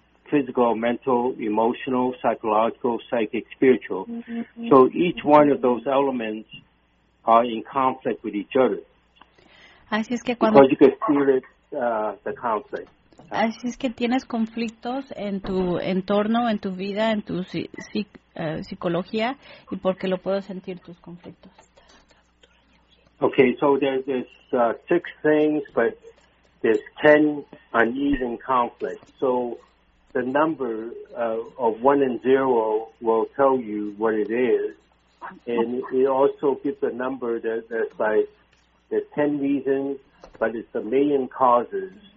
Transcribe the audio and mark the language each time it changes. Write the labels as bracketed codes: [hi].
[en] Physical, mental, emotional, psychological, psychic, spiritual. Mm-hmm. So each one of those elements are in conflict with each other. [es] Así es que [en] because you can feel it, the conflict. [es] Así es que tienes conflictos en tu entorno, en tu vida, en tu psicología, y porque lo puedo sentir tus conflictos. [en] Okay, so there's six things, but there's 10 uneven conflicts. So the number of 1 and 0 will tell you what it is. And it also gives a number that's like there's 10 reasons, but it's a million causes.